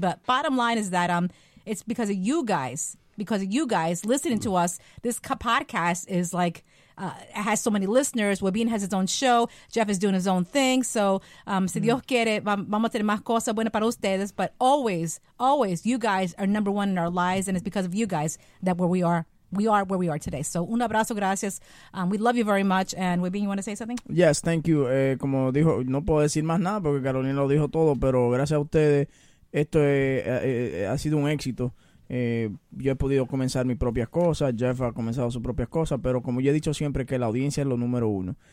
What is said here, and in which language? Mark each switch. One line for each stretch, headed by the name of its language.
English: But bottom line is that it's because of you guys. Because of you guys listening to us, this podcast is like... has so many listeners. Webin has his own show. Jeff is doing his own thing.
Spanish: So, si Dios quiere, vamos a tener más cosas buenas para ustedes.
English: But always, always, you guys are number one in our lives, and it's because of you guys that we are where we are today. So,
Spanish: un abrazo, gracias.
English: We love you very much. And Webin, you want to say something? Yes, thank you.
Spanish: Como dijo, no puedo decir más nada porque Carolina lo dijo todo. Pero gracias a ustedes, esto ha sido un éxito. Yo he podido comenzar mis propias cosas, Jeff ha comenzado sus propias cosas, pero como yo he dicho siempre, que la audiencia es lo número uno.